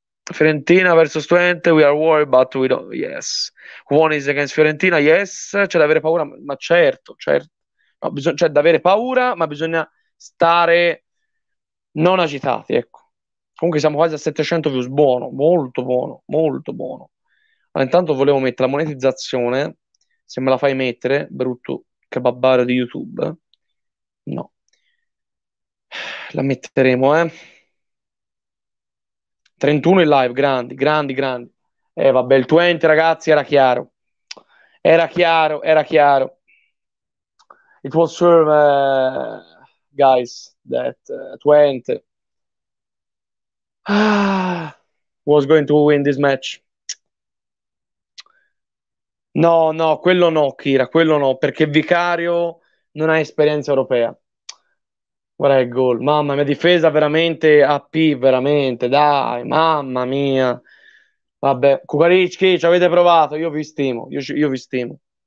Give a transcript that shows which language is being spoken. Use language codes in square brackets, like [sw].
[en] Fiorentina versus Twente, we are worried, but we don't. Yes, one is against Fiorentina. [it] Yes, c'è da avere paura, ma certo. No, c'è da avere paura, ma bisogna stare non agitati. Ecco. Comunque, siamo quasi a 700 views. Buono, molto buono, molto buono. Ma intanto, volevo mettere la monetizzazione. Se me la fai mettere, brutto kebabaro di YouTube, no, la metteremo, 31 in live, grandi. Vabbè, il Twente, ragazzi, era chiaro. Era chiaro. [en] It was sure, guys, that Twente. Ah, was going to win this match. [it] No, no, quello no, Kira, quello no, perché Vicario non ha esperienza europea. Guarda il gol, mamma mia, difesa veramente AP, veramente, dai, mamma mia. Vabbè, Kukarički, ci avete provato, io vi stimo, io vi stimo.